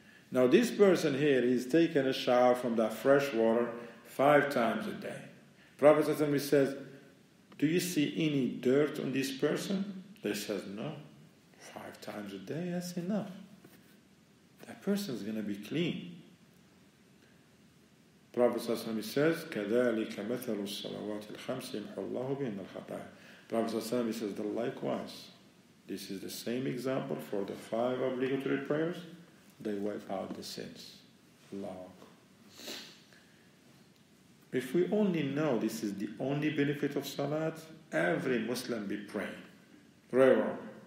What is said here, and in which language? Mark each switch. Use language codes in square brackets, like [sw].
[en] Now this person here, he's taking a shower from that fresh water 5 times a day. Prophet says, do you see any dirt on this person? They says, no. 5 times a day, that's enough. That person is going to be clean. Prophet ﷺ says, [ar] كَذَلِكَ مَثَلُ الصَّلَوَاتِ الْخَمْسِ يَمْحُ اللَّهُ بِهِنَّ الْخَطَاءِ [en] Prophet ﷺ says, the likewise. This is the same example for the 5 obligatory prayers. They wipe out the sins. Allah. If we only know this is the only benefit of Salat, every Muslim be praying. Prayer.